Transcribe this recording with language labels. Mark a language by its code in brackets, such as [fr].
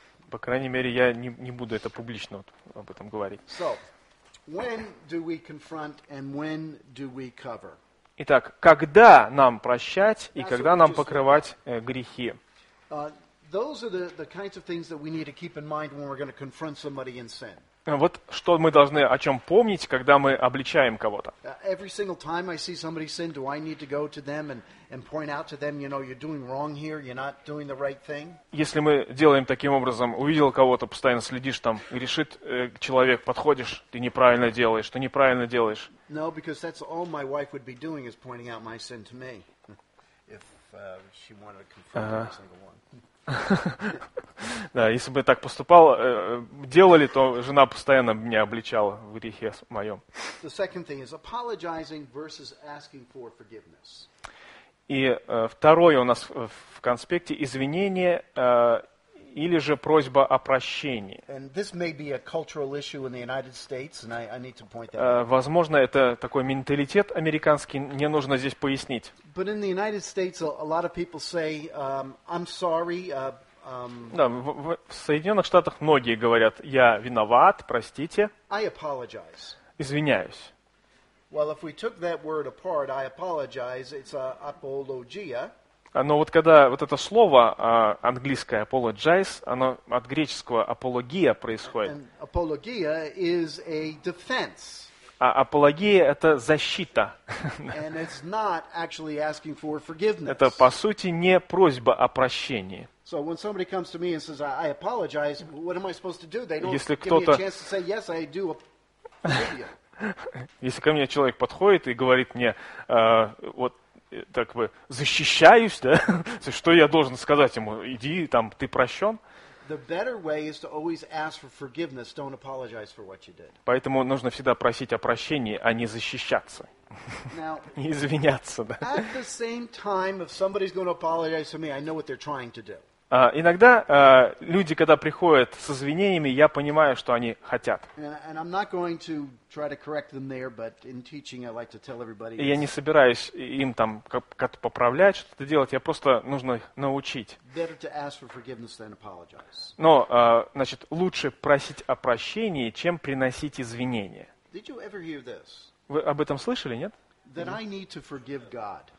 [ru] По крайней мере, я не буду это публично вот, об этом говорить. [en] So, when do we confront and when do we cover? [ru] Итак, когда нам прощать и когда нам покрывать грехи? [en] Those are the kinds of things that we need to keep in mind when we're going to confront somebody in sin. [ru] Вот что мы должны о чем помнить, когда мы обличаем кого-то. [en] Every single time I see somebody sin, do I need to go to them and point out to them, you know, you're doing wrong here, you're not doing the right thing? [ru] Если мы делаем таким образом, увидел кого-то, постоянно следишь там, грешит человек, подходишь, ты неправильно делаешь, ты неправильно делаешь. [en] No, because that's all my wife would be doing is pointing out my sin to me, if she wanted to confront every single one. [ru] Да, если бы так поступал, делали, то жена постоянно меня обличала в грехе моем. [en] The second thing is apologizing versus asking for forgiveness. [ru] И второе у нас в конспекте извинение или же просьба о прощении. [en] And this may be a cultural issue in the United States, and I need to point that out. [ru] Возможно, это такой менталитет американский, мне нужно здесь пояснить. [en] But in the United States, a lot of people say, I'm sorry. [ru] Да, в Соединенных Штатах многие говорят, я виноват, простите. [en] I apologize. [ru] Извиняюсь. [en] Well, if we took that word apart, I apologize. It's apologia. [ru] Но вот когда вот это слово английское apologize, оно от греческого апология происходит. [en] And apologia is a defense. [ru] А апология – это защита. [en] And it's not actually asking for forgiveness. [ru] Это, по сути, не просьба о прощении. [en] So when somebody comes to me and says, I apologize, what am I supposed to do? They don't [ru] Если [en] give [ru] кто-то... [en] me a chance to say, yes, I do apologize. [ru] Если ко мне человек подходит и говорит мне, вот, так бы, защищаюсь, да? Что я должен сказать ему? Иди, там, ты прощен? [en] The better way is to always ask for forgiveness, don't apologize for what you did. [ru] Поэтому нужно всегда просить о прощении, а не защищаться. [en] Now, [ru] не извиняться, да? [en] At the same time, if somebody's going to apologize to me, I know what they're trying to do. [ru] Иногда люди, когда приходят с извинениями, я понимаю, что они хотят. [en] And I'm not going to try to correct them there, but in teaching I like to tell everybody. [ru] Я не собираюсь им там как-то поправлять, что-то делать, я просто нужно их научить. [en] Better to ask for forgiveness than apologize. [ru] Но, значит, лучше просить о прощении, чем приносить извинения. [en] Did you ever hear this? [ru] Вы об этом слышали, нет? [en] That I need to forgive God.